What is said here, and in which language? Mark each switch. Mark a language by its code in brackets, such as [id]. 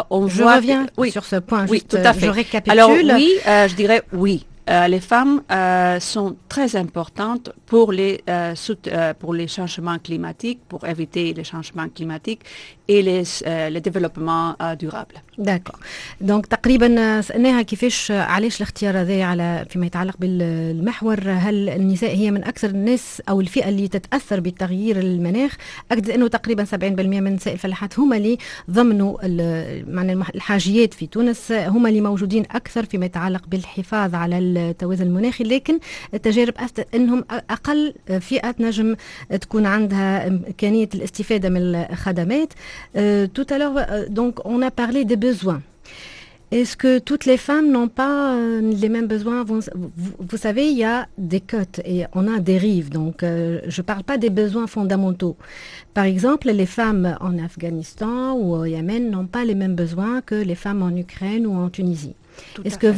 [fr] sur ce point, oui, juste, tout à fait. Je récapitule. Alors oui, je dirais oui. Les femmes sont très importantes pour les changements climatiques, pour éviter les changements climatiques et le développement durable. D'accord. [ar] Donc, تقريبا سألناها كيفاش علاش الاختيار هذا على فيما يتعلق بالمحور، هل النساء هي من أكثر الناس أو الفئة اللي تتأثر بالتغيير المناخ؟ أكد أنه تقريبا 70% من نساء الفلاحات هما اللي ضمنوا الحاجيات في تونس، هما اللي موجودين أكثر فيما يتعلق بالحفاظ على التوازن المناخي، لكن التجارب أفتت أنهم أقل فئة نجم تكون عندها إمكانية الاستفادة من الخدمات. [fr] Tout à l'heure, donc on a parlé des besoins. Est-ce que toutes les femmes n'ont pas les mêmes besoins? Vous savez, il y a des cotes et on a des rives. Donc, je ne parle pas des besoins fondamentaux. Par exemple, les femmes en Afghanistan ou au Yémen n'ont pas les mêmes besoins que les femmes en Ukraine ou en Tunisie. Tout Est-ce que fait.